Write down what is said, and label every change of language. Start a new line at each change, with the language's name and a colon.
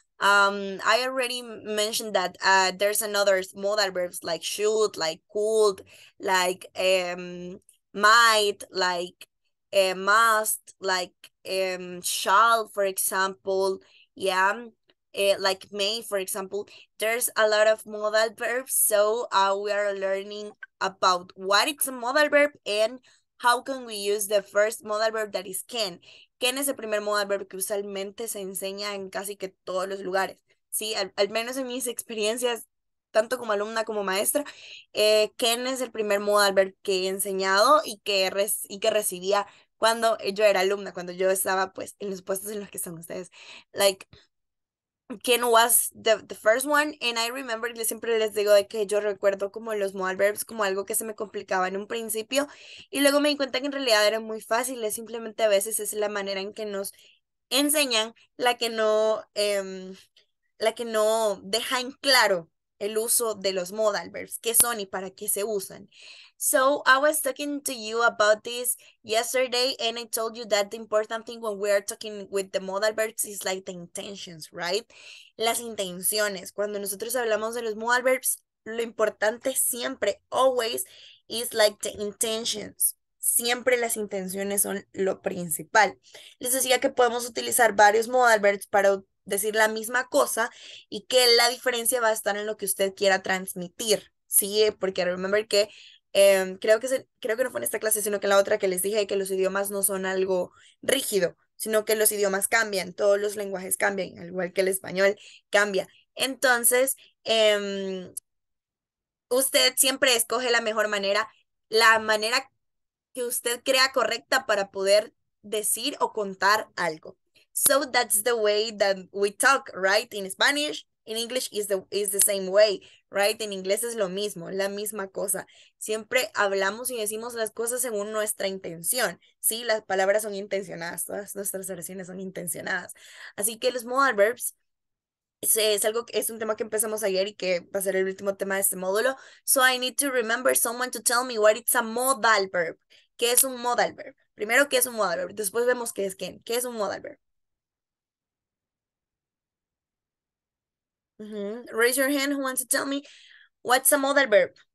English: I already mentioned that there's another modal verbs like should, like could, like might, like must, like shall, for example, yeah, like may, for example. There's a lot of modal verbs, so we are learning about what it's a modal verb and how can we use the first modal verb that is can.
Spanish: Can es el primer modal verb que usualmente se enseña en casi que todos los lugares, ¿sí? Al menos en mis experiencias, tanto como alumna como maestra, can es el primer modal verb que he enseñado y que recibía cuando yo era alumna, cuando yo estaba pues en los puestos en los que están ustedes.
English: Like, can was the first one, and I remember,
Spanish: yo siempre les digo de que yo recuerdo como los modal verbs como algo que se me complicaba en un principio, y luego me di cuenta que en realidad eran muy fáciles, simplemente a veces es la manera en que nos enseñan la que no deja en claro el uso de los modal verbs, qué son y para qué se usan.
English: So, I was talking to you about this yesterday and I told you that the important thing when we are talking with the modal verbs is like the intentions, right?
Spanish: Las intenciones. Cuando nosotros hablamos de los modal verbs, lo importante siempre,
English: always, is like the intentions.
Spanish: Siempre las intenciones son lo principal. Les decía que podemos utilizar varios modal verbs para decir la misma cosa y que la diferencia va a estar en lo que usted quiera transmitir, ¿sí? Porque remember que creo que no fue en esta clase, sino que en la otra que les dije que los idiomas no son algo rígido, sino que los idiomas cambian, todos los lenguajes cambian, al igual que el español cambia. Entonces, usted siempre escoge la mejor manera, la manera que usted crea correcta para poder decir o contar algo.
English: So that's the way that we talk, right? In Spanish, in English is the same way, right?
Spanish: En inglés es lo mismo, la misma cosa. Siempre hablamos y decimos las cosas según nuestra intención, ¿sí? Las palabras son intencionadas, todas nuestras oraciones son intencionadas. Así que los modal verbs es un tema que empezamos ayer y que va a ser el último tema de este módulo.
English: So I need to remember someone to tell me what it's a modal verb.
Spanish: ¿Qué es un modal verb? Primero, ¿qué es un modal verb? Después vemos qué es quién. ¿Qué es un modal verb?
English: Raise your hand who wants to tell me what's a modal verb.